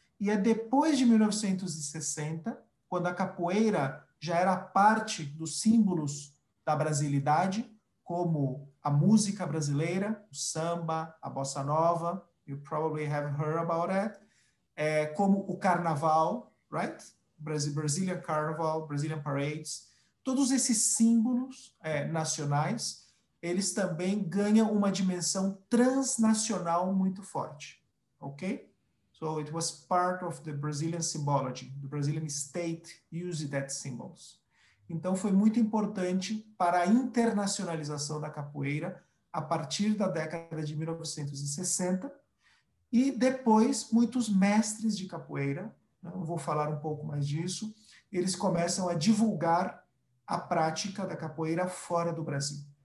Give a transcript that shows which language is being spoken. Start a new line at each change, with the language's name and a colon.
Portuguese: E é depois de 1960, quando a capoeira já era parte dos símbolos da brasilidade, como a música brasileira, o samba, a bossa nova,
English: you probably have heard about it,
Portuguese: como o carnaval, right?
English: Brazilian Carnival, Brazilian Parades,
Portuguese: todos esses símbolos nacionais, eles também ganham uma dimensão transnacional muito forte, ok?
English: So it was part of the Brazilian symbology, the Brazilian state used that symbols.
Portuguese: Então foi muito importante para a internacionalização da capoeira a partir da década de 1960 e depois muitos mestres de capoeira, não vou falar um pouco mais disso, eles começam a divulgar a prática da capoeira fora do Brasil.